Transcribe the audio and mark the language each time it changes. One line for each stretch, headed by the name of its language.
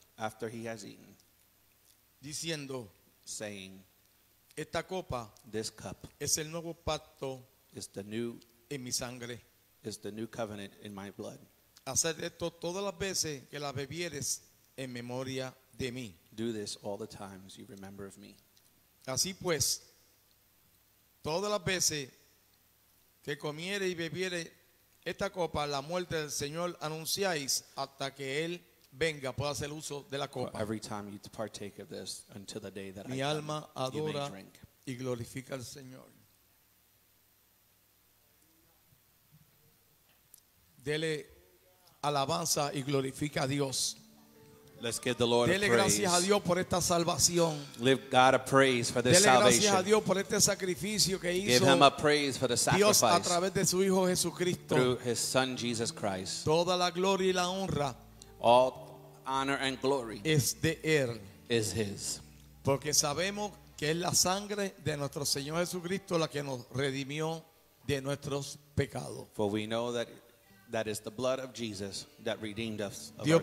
English: After he has eaten.
Spanish: Diciendo.
English: Saying.
Spanish: Esta copa,
English: this cup,
Spanish: es el nuevo pacto,
English: is the new,
Spanish: en mi sangre,
English: is the new covenant in my blood.
Spanish: Haced esto todas las veces que la bebieres en memoria de mí.
English: Do this all the times you remember of me.
Spanish: Así pues, todas las veces que comiere y bebiere esta copa, la muerte del Señor anunciáis hasta que él venga, pueda hacer uso de la copa.
English: Every time you partake of this until the day that
Spanish: mi
English: I come,
Spanish: alma adora
English: you may drink.
Spanish: y glorifica al Señor. Dele alabanza y glorifica a Dios.
English: Let's give the Lord a praise.
Spanish: Dele gracias a Dios por esta salvación.
English: Give God a praise for this salvation.
Spanish: Dele gracias a Dios por este sacrificio que hizo.
English: Give him a praise for the sacrifice.
Spanish: Dios a través de su hijo Jesucristo.
English: Through his son Jesus Christ.
Spanish: Toda la gloria y la honra.
English: All honor and glory.
Spanish: Es de él.
English: Is his.
Spanish: Porque sabemos que es la sangre de nuestro Señor Jesucristo la que nos redimió de nuestros pecados.
English: For we know that that is the blood of Jesus that redeemed us of our sins.